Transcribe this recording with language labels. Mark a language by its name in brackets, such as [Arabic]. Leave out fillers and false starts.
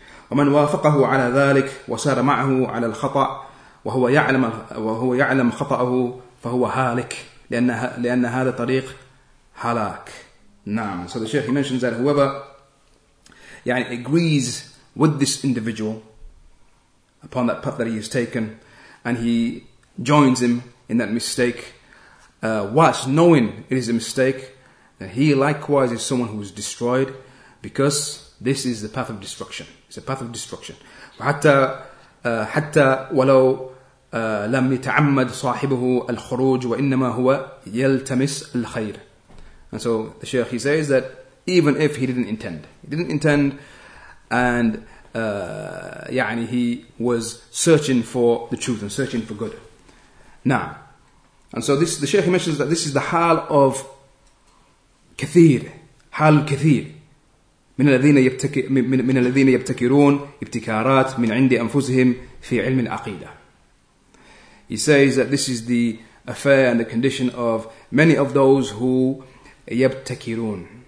[Arabic] وَمَنْ وَافَقَهُ عَلَى ذَلِكَ وَسَارَ مَعَهُ عَلَى الْخَطَعَ وَهُوَ يَعْلَمْ خَطَأَهُ فَهُوَ هَالِكَ لأن هذا طريق هلاك. نعم. [English] So the Shaykh he mentions that whoever يعني agrees with this individual upon that path that he has taken and he joins him in that mistake whilst knowing it is a mistake, that he likewise is someone who is destroyed, because this is the path of destruction. It's a path of destruction. [Arabic] حَتَّى وَلَوْ لَمْ يَتَعَمَّدْ صَاحِبُهُ الْخُرُوجُ وَإِنَّمَا هُوَ يَلْتَمِسْ الْخَيْرِ. [English] And so the Shaykh, he says that even if he didn't intend and يعني he was searching for the truth and searching for good. Now, and so this, the Shaykh mentions that this is the hal of [Arabic] كثير, hal كثير من الذين يبتكر من الذين يبتكرون ابتكارات من عند أنفسهم في علم العقيدة. [English] He says that this is the affair and the condition of many of those who يبتكرون.